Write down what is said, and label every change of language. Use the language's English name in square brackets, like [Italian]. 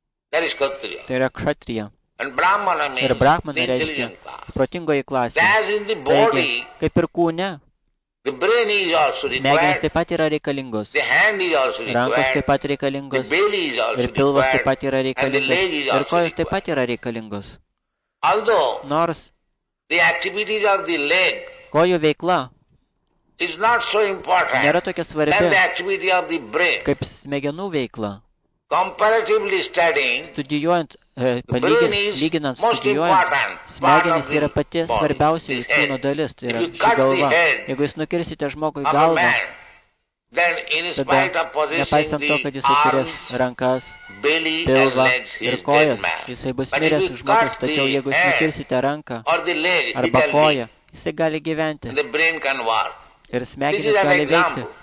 [Lithuanian] Tai yra kšatrija. Ir brahmana reiškia protingoji klasė. Taigi, kaip ir kūne, smegenys taip pat yra reikalingos, rankos taip pat reikalingos, ir pilvas taip pat yra reikalingos, ir kojos taip pat yra reikalingos. Nors [English] The activities of the leg [Lithuanian] kojų veikla [English] is not so important [Lithuanian] nėra tokia svarbi [English] than the activity of the brain. [Lithuanian] Kaip smegenų veikla. [English] Comparatively studying, [Lithuanian] studijuojant, palygin, lyginant, studijuojant, smegenys yra pati svarbiausia kūno dalis, tai yra ši galva. Jeigu jūs nukirsite žmogui galvą, tada, nepaisant to, kad jisai turės rankas, pilvą ir kojas, jisai bus miręs žmogus, tačiau jeigu jūs nukirsite ranką arba koją, jisai gali gyventi ir smegenys gali veikti.